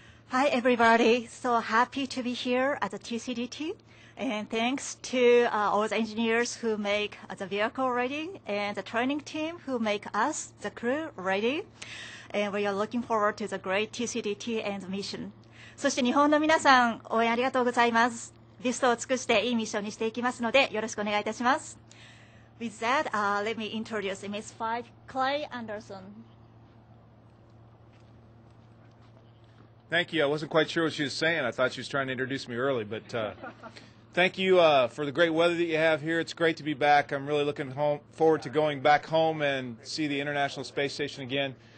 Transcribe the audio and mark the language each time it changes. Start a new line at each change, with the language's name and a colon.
English: Hi, everybody. So happy to be here at the TCDT. And thanks to all the engineers who make the vehicle ready and the training team who make us, the crew, ready. And we are looking forward to the great TCDT and the mission.
Japanese: そして日本の皆さん、応援ありがとうございます。ビストを尽くしていいミッションにしていきますので、よろしくお願いいたします。
English: With that, let me introduce MS-5 Clay Anderson. Thank you. I wasn't quite sure what she was saying. I thought she was trying to introduce me early, but thank you for the great weather that you have here. It's great to be back. I'm really looking forward to going back home and see the International Space Station again.